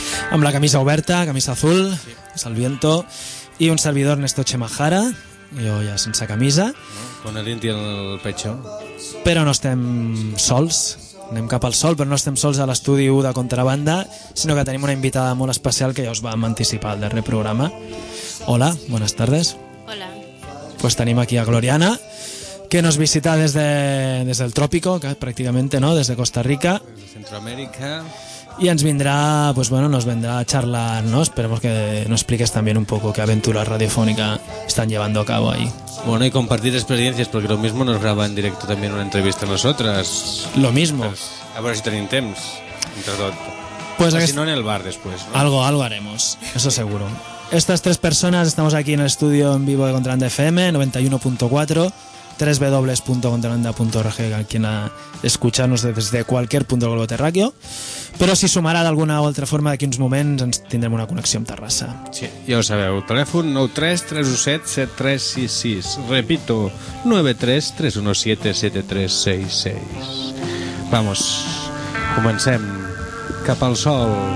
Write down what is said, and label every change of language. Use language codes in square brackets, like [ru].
[ca] Amb la camisa oberta, [es] camisa azul, [ca] sí. [es] El viento, [ca] i un servidor, Néstor Chemahara, jo ja sense camisa. [es] Con el inti en el pecho. [ca] Però no estem sols, anem cap al sol, però no estem sols a l'estudi 1 de Contrabanda, sinó que tenim una invitada molt especial que ja us vam anticipar al darrer programa. [es] Hola, buenas tardes. Hola. Pues [ca] tenim aquí [es] a Gloriana, que nos visita desde el trópico, que [ca] pràcticament, no?, des de [es] Costa Rica. Desde Centroamérica. Y [ca] ens vindrà, [es] pues bueno, nos vendrá a charlar, ¿no? Esperemos que nos expliques también un poco qué aventura radiofónica están llevando a cabo ahí. Bueno, y compartir experiencias, porque lo mismo nos graba en directo también una entrevista a nosotras. Lo mismo. [ca] A ver si tenim temps, entre tot. [es] Pues si no, en el bar después, ¿no? Algo haremos, eso seguro. Estas tres personas estamos aquí en el estudio en vivo de Contrabanda FM, 91.4, www.contrabanda.org, quien a escucharnos desde cualquier punto del globo terráqueo. [ca] Però si sumarà d'alguna o altra forma d'aquí uns moments ens tindrem una connexió amb Terrassa. Sí, ja ho sabeu. Telèfon 93-317-7366. [es] Repito, 93-317-7366. Vamos, [ca] comencem. Cap al sol.